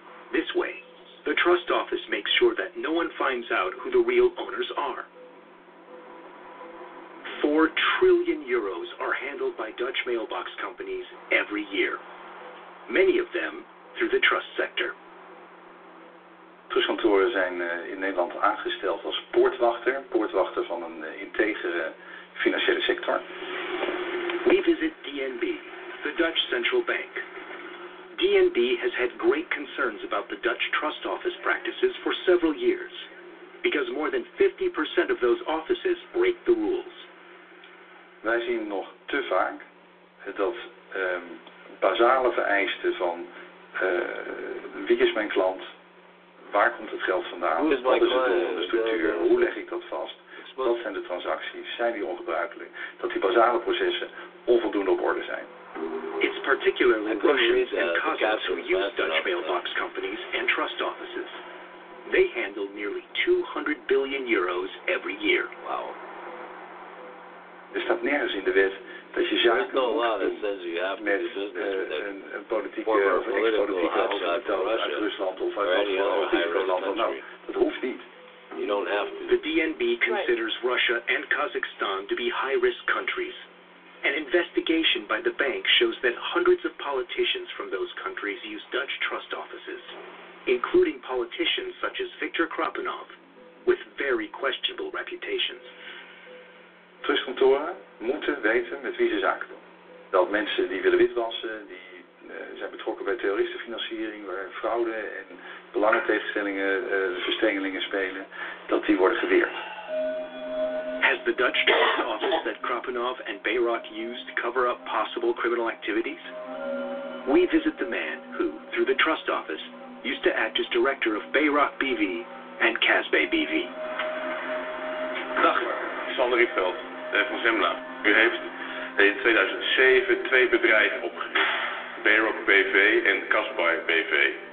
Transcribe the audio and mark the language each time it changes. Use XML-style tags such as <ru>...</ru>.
<en>This way, the trust office makes sure that no one finds out who the real owners are. 4 trillion euros are handled by Dutch mailbox companies every year. Many of them through the trust sector.</en> <nl>Trustkantoren zijn in Nederland aangesteld als poortwachter. Poortwachter van een integere financiële sector.</nl> <en>We visit DNB, the Dutch Central Bank. DNB has had great concerns about the Dutch trust office practices for several years, because more than 50% of those offices break the rules.</en> <nl>Wij zien nog te vaak dat basale vereisten van wie is mijn klant, waar komt het geld vandaan, wat is het doel van de structuur, hoe leg ik dat vast, wat zijn de transacties, zijn die ongebruikelijk, dat die basale processen onvoldoende op orde zijn.</nl> <en>It's particularly Russians and Cossacks who use Dutch mailbox companies and trust offices. They handle nearly 200 billion euros every year. Wow.</en> <nl>Er staat nergens in de wet dat je zaken moet doen met een politieke of ex-politieke hoofdstuk uit Rusland of uit een politieke land. Dat hoeft niet.</nl> <en>You don't have to. The DNB considers Russia and Kazakhstan to be high-risk countries. An investigation by the bank shows that hundreds of politicians from those countries use Dutch trust offices, including politicians such as Viktor Kropinoff, with very questionable reputations.</en> <nl>Trustkantoren moeten weten met wie ze zaken doen. Dat mensen die willen witwassen, die zijn betrokken bij terroristenfinanciering, waar fraude en belangentegenstellingen, verstrengelingen spelen, dat die worden geweerd.</nl> <en>Has the Dutch trust office that Kropinoff and Bayrock used to cover up possible criminal activities? We visit the man who, through the trust office, used to act as director of Bayrock BV and Casbay BV.</en> <nl>Dag, Sander Rietveld, van Zemla. U heeft in 2007 twee bedrijven opgericht, Bayrock BV en Casbay BV.</nl>